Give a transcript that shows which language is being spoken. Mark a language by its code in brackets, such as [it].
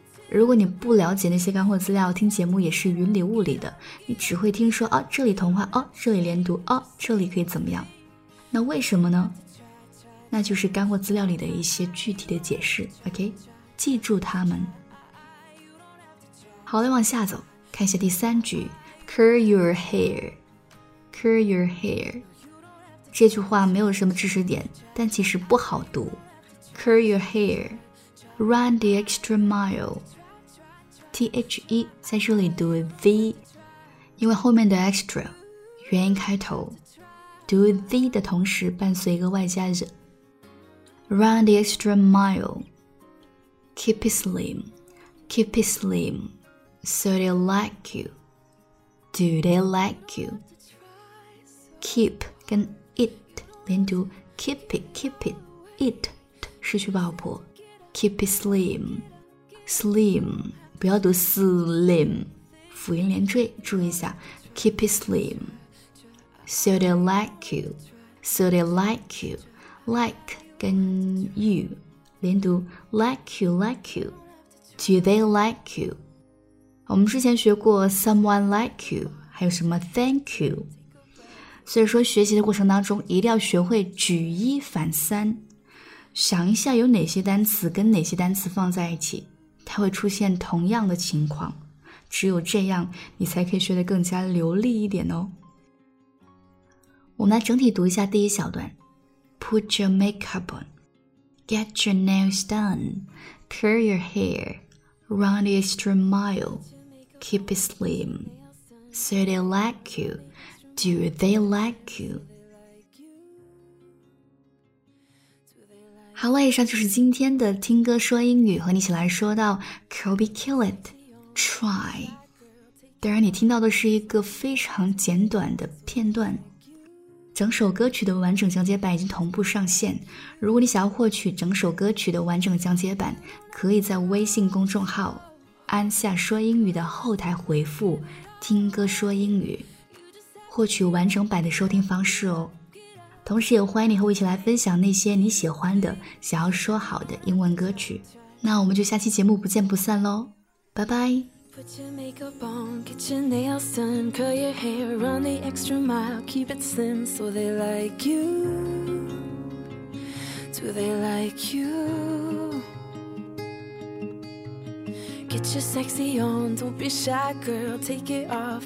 [zh] 如果你不了解那些干货资料，听节目也是云里雾里的，你只会听说哦，这里同化，哦，这里连读，哦，这里可以怎么样。那为什么呢？那就是干货资料里的一些具体的解释。 OK， 记住它们。好嘞，往下走，看一下第三句 [en] curl your hair, curl your hair。 [zh] 这句话没有什么知识点，但其实不好读。 [en] curl your hairRun the extra mile, [zh] T-H-E 在这里读 V, 因为后面的 extra 元音开头，读 V 的同时伴随一个外加 Z. [en] Run the extra mile, keep it slim, keep it slim, so they like you, do they like you? Keep 跟 it 连读 keep it, it [zh] 失去爆破。 [en] Keep it slim, slim, 不要读 slim, [zh] 辅音连缀，注意一下。 [en] Keep it slim, so they like you, so they like you, like 跟 you 连读 like you, do they like you? [zh] 我们之前学过 [en] someone like you, [zh] 还有什么 [en] thank you, [zh] 所以说学习的过程当中一定要学会举一反三。想一下有哪些单词跟哪些单词放在一起，它会出现同样的情况，只有这样你才可以学得更加流利一点哦。我们来整体读一下第一小段。 [en] Put your makeup on, get your nails done, curl your hair, run the extra mile, keep it slim, so they like you, do they like you? [zh] 好了，以上就是今天的听歌说英语，和你一起来说到 Kobe Kill It Try。当然你听到的是一个非常简短的片段，整首歌曲的完整讲解版已经同步上线，如果你想要获取整首歌曲的完整讲解版，可以在微信公众号安夏说英语的后台回复听歌说英语，获取完整版的收听方式哦。同时也欢迎你和我一起来分享那些你喜欢的想要说好的英文歌曲。那我们就下期节目不见不散咯，拜拜。 [en] Put your makeup on, get your nails done, curl your hair, run the extra mile, keep it slim so they like you. Do they like you? Get your sexy on, don't be shy, girl, take it off.